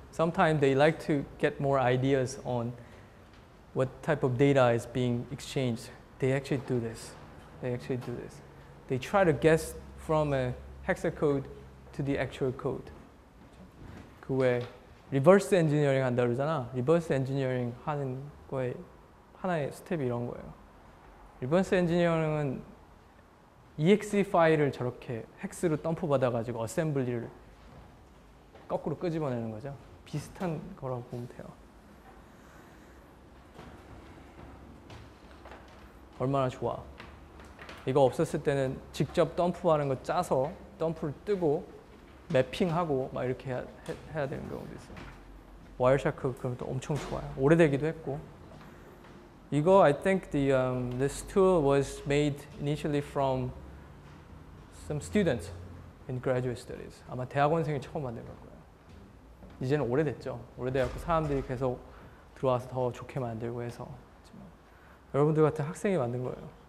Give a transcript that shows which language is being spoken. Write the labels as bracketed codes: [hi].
[en] Sometimes they like to get more ideas on what type of data is being exchanged. They actually do this. They try to guess from a hexacode to the actual code. [ko] 그 외 리버스 엔지니어링 한다고 그러잖아. 리버스 엔지니어링 하는 거에 하나의 스텝이 이런 거예요. 리버스 엔지니어링은 exe 파일을 저렇게 헥스로 덤프 받아가지고 어셈블리를 거꾸로 끄집어내는 거죠. 비슷한 거라고 보면 돼요. 얼마나 좋아. 이거 없었을 때는 직접 덤프하는 거 짜서 덤프를 뜨고 매핑하고 막 이렇게 해야 되는 경우도 있어요. 와이어샤크 그러면 또 엄청 좋아요. 오래되기도 했고. 이거 [en] I think the this tool was made initially from some students in graduate studies. [ko] 아마 대학원생이 처음 만든 걸 거예요. 이제는 오래됐죠. 오래돼서 사람들이 계속 들어와서 더 좋게 만들고 해서 여러분들 같은 학생이 만든 거예요.